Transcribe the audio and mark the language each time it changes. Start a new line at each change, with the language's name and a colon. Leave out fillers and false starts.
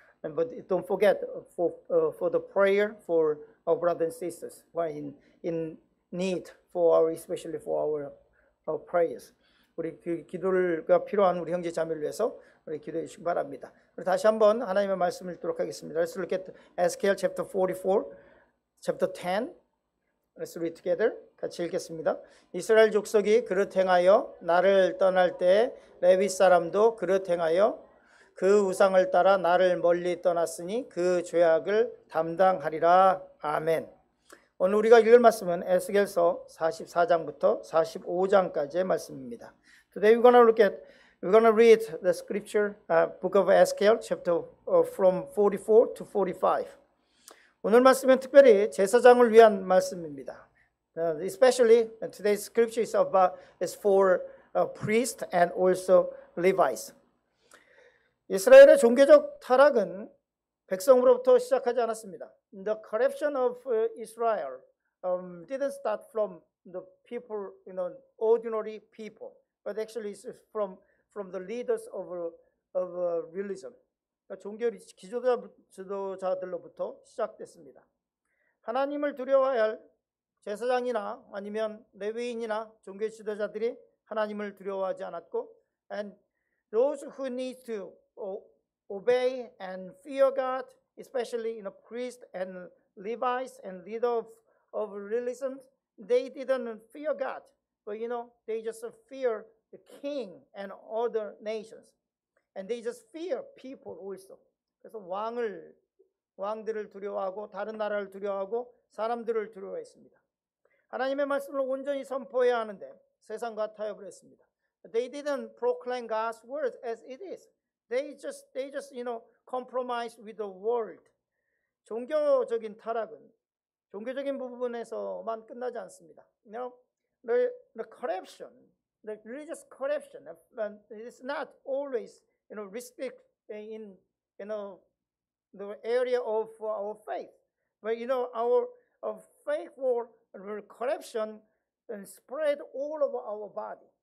English: And but don't forget for the prayer for our brothers and sisters who are in need for our especially for our prayers.
Korean: 우리 그 기도가 필요한 우리 형제 자매를 위해서 우리 기도해 주시기 바랍니다. 우리 다시 한번 하나님의 말씀을 읽도록 하겠습니다.
English: Let's look at Ezekiel chapter 44, chapter 10. Let's read together.
Korean: 같이 읽겠습니다. 이스라엘 족속이 그릇 행하여 나를 떠날 때 레위 사람도 그릇 행하여 그 우상을 따라 나를 멀리 떠났으니 그 죄악을 담당하리라. 아멘. 오늘 우리가 읽을 말씀은 에스겔서 44장부터 45장까지의 말씀입니다.
English: Today we're going to look at we're going to read the scripture book of Ezekiel chapter from 44 to 45.
Korean: 오늘 말씀은 특별히 제사장을 위한 말씀입니다.
English: Especially today's scripture is for priests and also Levites.
Korean: 이스라엘의 종교적 타락은 백성으로부터 시작하지 않았습니다.
English: The corruption of Israel didn't start from the people, you know, ordinary people, but actually it's from the leaders of religion.
Korean: 그러니까 종교 지도자들로부터 시작됐습니다. 하나님을 두려워할 제사장이나 아니면 레위인이나 종교 지도자들이 하나님을 두려워하지 않았고,
English: and those who need to obey and fear God, especially in a priest and Levites and leader of religion, they didn't fear God, but you know, they just fear the king and other nations, and they just fear people also.
Korean: 그래서 왕들을 두려워하고 다른 나라를 두려워하고 사람들을 두려워했습니다. 하나님의 말씀을 온전히 선포해야 하는데 세상과 타협을 했습니다.
English: They didn't proclaim God's word as it is. They just you know, compromise with the world.
Korean: 종교적인 타락은 종교적인 부분에서만 끝나지 않습니다.
English: You know, the corruption, the religious corruption, it's not always, you know, restricted in, you know, the area of our faith. But, you know, our faith or corruption spread all over our body.